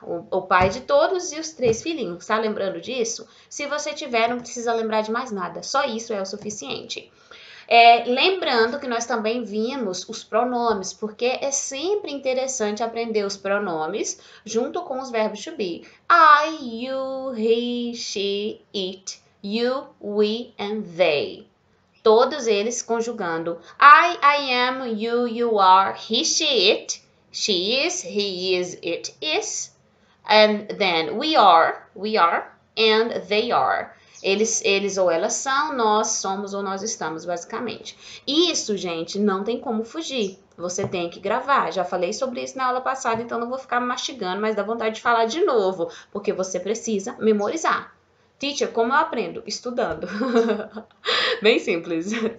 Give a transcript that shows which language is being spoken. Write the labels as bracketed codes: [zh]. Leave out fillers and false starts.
[pt] O pai de todos e os três filhinhos, tá lembrando disso? Se você tiver, não precisa lembrar de mais nada, só isso é o suficiente. Lembrando que nós também vimos os pronomes, porque é sempre interessante aprender os pronomes junto com os verbos to be. [en] I, you, he, she, it, you, we and they. [pt] Todos eles conjugando [en] I am, you are, he, she, it, she is, he is, it is, and then we are, and they are. [pt] Eles ou elas são, nós somos ou nós estamos, basicamente. Isso, gente, não tem como fugir. Você tem que gravar. Já falei sobre isso na aula passada, então não vou ficar mastigando, mas dá vontade de falar de novo, porque você precisa memorizar. Teacher, como eu aprendo? Estudando. Bem simples.